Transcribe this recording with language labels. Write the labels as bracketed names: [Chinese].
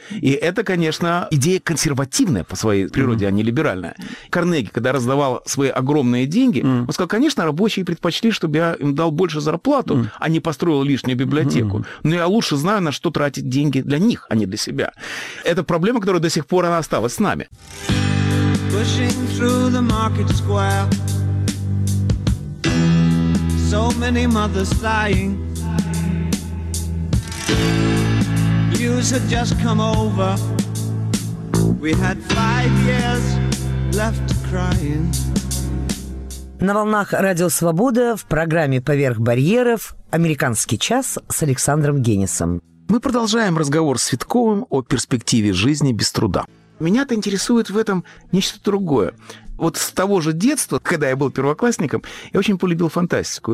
[Russian] И это, конечно, идея консервативная по своей природе, а не либеральная. Карнеги, когда раздавал свои огромные деньги, он сказал, конечно, рабочие предпочли, чтобы я им дал больше зарплату, а не построил лишнюю библиотеку. Но я лучше знаю, на что тратить деньги для них, а не для себя. Это проблема, которая до сих пор она осталось с нами. [English] Pushing through the market square. So many mothers sighing. News had just come over. We had 5 years left crying. [Russian] На волнах Радио Свобода в программе «Поверх барьеров» «Американский час» с Александром Генисом. Мы продолжаем разговор с Светковым о перспективе жизни без труда. Меня-то интересует в этом нечто другое. Вот с того же детства, когда я был первоклассником, я очень полюбил фантастику.